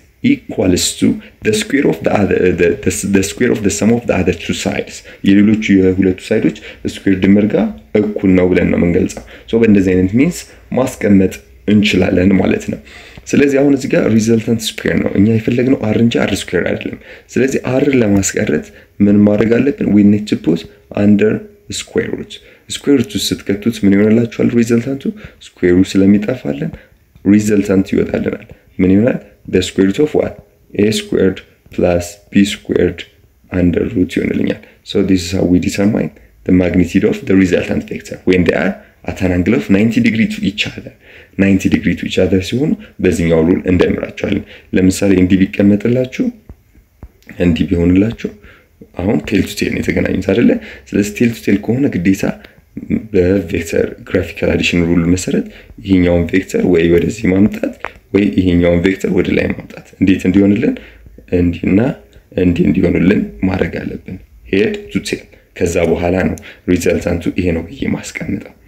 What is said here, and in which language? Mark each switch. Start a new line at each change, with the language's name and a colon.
English: equals to the square of the other the square of the sum of the other two sides.
Amharic: የሌሎቹ የሁለቱ ሳይዶች ስኩዌር ድምርጋ እኩል ነው ብለን ነው መንገልጻ።
English: So when does it means
Amharic: ማስቀመጥ እንችላለን ማለት ነው። ስለዚህ አሁን እዚህ ጋር resultant square ነው እኛ ይፈልግነው r እንጂ r square አይደለም። ስለዚህ r ለማስቀረት ምን ማድረግ አለብን?
English: We need to put under square root. Square root
Amharic: ስትከቱት ምን ይሆንላችኋል? resultantው square root ስለሚጠፋልን resultant ይወጣልናል። ምን ይሆናል?
English: The square root of what? A squared plus B squared under root
Amharic: ይሆንልኛል.
English: So this is how we determine the magnitude of the resultant vector when they are at an angle of 90 degrees to each other. 90 degrees to each other
Amharic: ሲሆኑ በዚህኛው rule እንደምራችኋለን. ለምሳሌ እንዲህ ቢቀመጥላችሁ እንዲህ ቢሆንላችሁ አሁን tail to tail ነው የተገናኙት አይደለ? ስለዚህ tail to tail ከሆነ ግዴታ በvector graphical addition rule መሰረት ይሄኛው vector ወይ ወደዚህ ማምጣት ወይ ይሄኛው vector ወደ ላይ ማምጣት እንዴት እንዲሆንልን እንዲና እንዲ እንዲሆንልን ማድረግ አለብን head to tail ከዛ በኋላ ነው resultant to ይሄ ነው ይማስቀምጣ